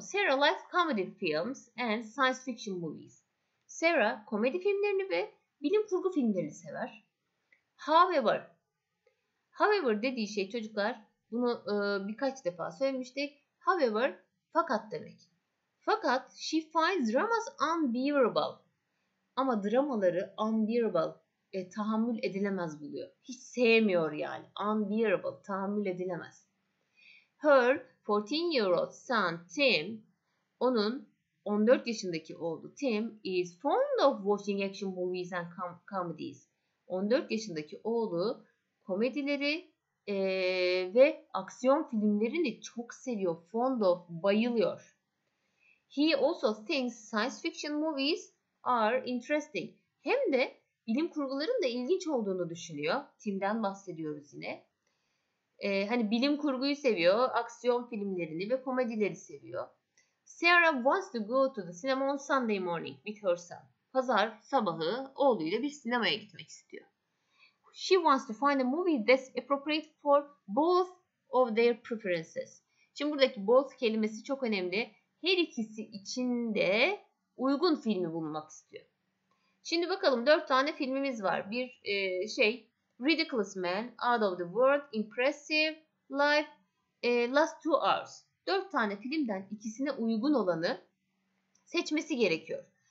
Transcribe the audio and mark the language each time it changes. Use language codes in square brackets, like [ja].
[en] Sarah likes comedy films and science fiction movies. [tr] Sarah komedi filmlerini ve bilim kurgu filmlerini sever. However dediği şey çocuklar, bunu birkaç defa söylemiştik. [en] However, [tr] fakat demek. Fakat [en] she finds dramas unbearable. [tr] Ama dramaları unbearable, tahammül edilemez buluyor. Hiç sevmiyor yani. Unbearable, tahammül edilemez. [en] Her 14-year-old son Tim, [tr] onun 14 yaşındaki oğlu [en] Tim is fond of watching action movies and comedies. [tr] 14 yaşındaki oğlu komedileri ve aksiyon filmlerini çok seviyor. [en] Fond of, bayılıyor. He also thinks science fiction movies are interesting. [tr] Hem de bilim kurguların da ilginç olduğunu düşünüyor. Tim'den bahsediyoruz yine. Hani bilim kurguyu seviyor, aksiyon filmlerini ve komedileri seviyor. [en] Sarah wants to go to the cinema on Sunday morning with her son. [tr] Pazar sabahı oğluyla bir sinemaya gitmek istiyor. [en] She wants to find a movie that's appropriate for both of their preferences. [tr] Şimdi buradaki both kelimesi çok önemli. Her ikisi için de uygun filmi bulmak istiyor. Şimdi bakalım 4 tane filmimiz var. Bir Ridiculous Man, Out of the World, Impressive Life, Last Two Hours. 4 tane filmden ikisine uygun olanı seçmesi gerekiyor.